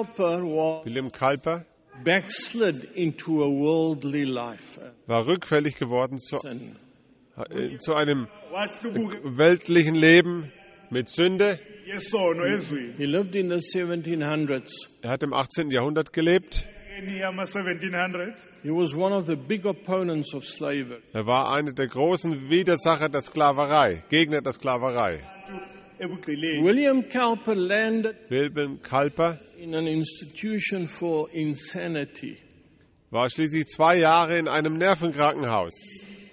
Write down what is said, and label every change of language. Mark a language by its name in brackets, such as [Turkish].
[English] William Cowper backslid into a worldly life. [German] War rückfällig geworden zu einem weltlichen Leben mit Sünde. [English] He lived in the 1700s. [German] Er hat im 18. Jahrhundert gelebt. [English] He was one of the big opponents of slavery. [German] Er war einer der großen Widersacher der Sklaverei, Gegner der Sklaverei. [English] William Cowper landed [German] Wilhelm Cowper [English] in an institution for insanity. [German] War schließlich 2 Jahre in einem Nervenkrankenhaus.